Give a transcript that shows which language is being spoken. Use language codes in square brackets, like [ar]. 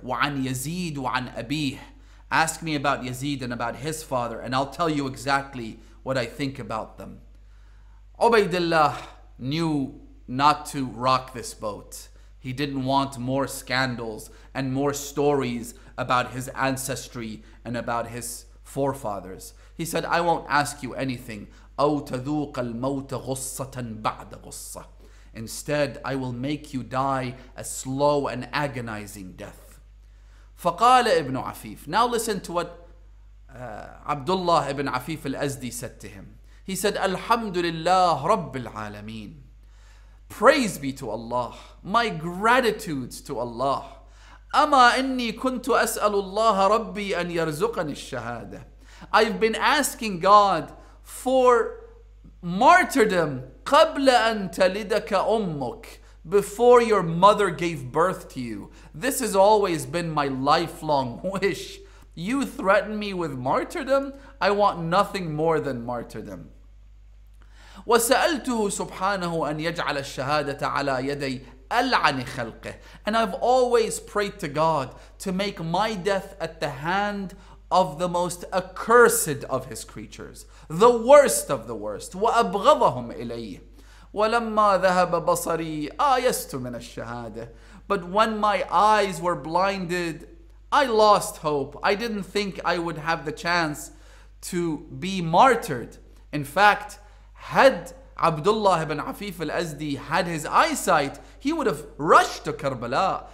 [ar] Wa an Yazid wa an abih. [en] Ask me about Yazid and about his father, and I'll tell you exactly what I think about them. Ubaydullah knew not to rock this boat. He didn't want more scandals and more stories about his ancestry and about his forefathers. He said, I won't ask you anything. [ar] أو تذوق الموت غصة بعد غصة. [en] Instead, I will make you die a slow and agonizing death. [ar] فقال ابن عفيف. [en] Now listen to what Abdullah ibn Afif al-Azdi said to him. He said, [ar] الحمد لله رب العالمين. [en] Praise be to Allah. My gratitudes to Allah. [ar] أما إني كنت أسأل الله ربي أن يرزقني الشهادة. [en] I've been asking God for martyrdom [ar] قبل أن تلدك أمك, [en] before your mother gave birth to you. This has always been my lifelong wish. You threaten me with martyrdom? I want nothing more than martyrdom. [ar] وسألته سبحانه أن يجعل الشهادة على يدي ألعن خلقه. [en] And I've always prayed to God to make my death at the hand of the most accursed of his creatures, the worst of the worst. [ar] وأبغضهم إليه. ولما ذهب بصري آيست من الشهادة. [en] But when my eyes were blinded, I lost hope. I didn't think I would have the chance to be martyred. In fact, had Abdullah ibn Afif al-Azdi had his eyesight, he would have rushed to Karbala.